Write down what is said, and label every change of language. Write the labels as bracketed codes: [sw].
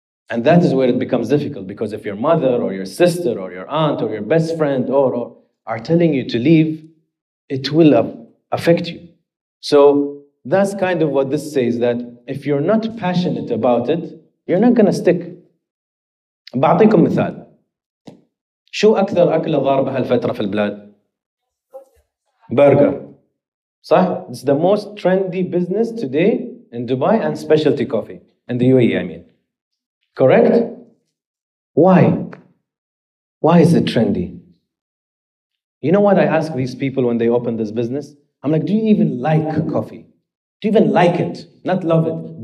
[en] And that is where it becomes difficult, because if your mother or your sister or your aunt or your best friend or are telling you to leave, it will affect you. So that's kind of what this says, that if you're not passionate about it, you're not going to stick. [ar] بعطيكم مثال. شو أكثر أكلة ضاربة هالفترة في البلاد؟ Burger. صح؟ [en] It's the most trendy business today in Dubai, and specialty coffee. In the UAE, I mean. Correct? Why? Why is it trendy? You know what I ask these people when they open this business? I'm like, do you even like coffee? Do you even like it? Not love it.